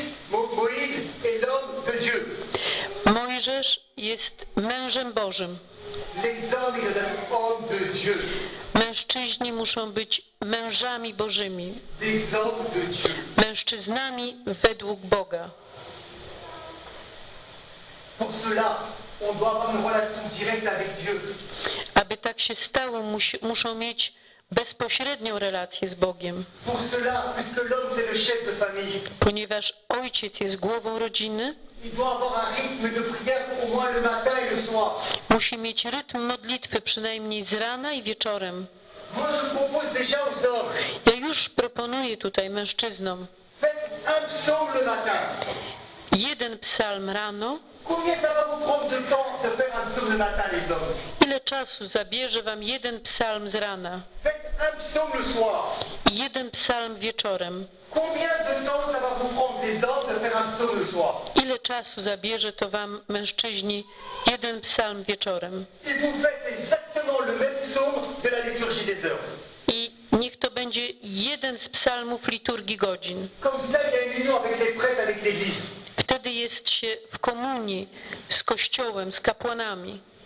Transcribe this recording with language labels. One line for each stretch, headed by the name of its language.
French: Moïse est l'homme de Dieu.
Polish: Mojżesz jest mężem Bożym.
French: Les hommes, les hommes de Dieu.
Polish: Mężczyźni muszą być mężami Bożymi.
French: Les hommes de Dieu.
Polish: Mężczyznami według Boga.
French: Pour cela, on doit avoir une relation directe avec Dieu.
Polish: Aby tak się stało, muszą mieć bezpośrednią relację z Bogiem.
French: Pour cela, puisque l'homme c'est le chef de famille,
Polish: ponieważ ojciec jest głową rodziny,
French: il doit avoir un rythme de prière au moins le matin et le soir.
Polish: Musi mieć rytm modlitwy przynajmniej z rana i wieczorem.
French: Moi, je propose déjà aux hommes.
Polish: Ja już proponuję tutaj mężczyznom.
French: Faites un psaume le matin.
Polish: Jeden psalm rano.
French: Combien ça va vous prendre de temps de faire un psaume le matin, les hommes?
Polish: Ile czasu zabierze wam jeden psalm z rana?
French: Faites un psaume le soir.
Polish: Jeden psalm wieczorem.
French: Combien de temps ça va vous prendre, les hommes, de faire un psaume le soir?
Polish: Ile czasu zabierze to wam, mężczyźni, jeden psalm wieczorem?
French: Et vous faites exactement le même psaume de la liturgie des heures.
Polish: I niech to będzie jeden z psalmów liturgii godzin.
French: Comme ça, il y a une union avec les prêtres, avec l'église.
Polish: Wtedy jest się w komunii z kościołem, z kapłanami.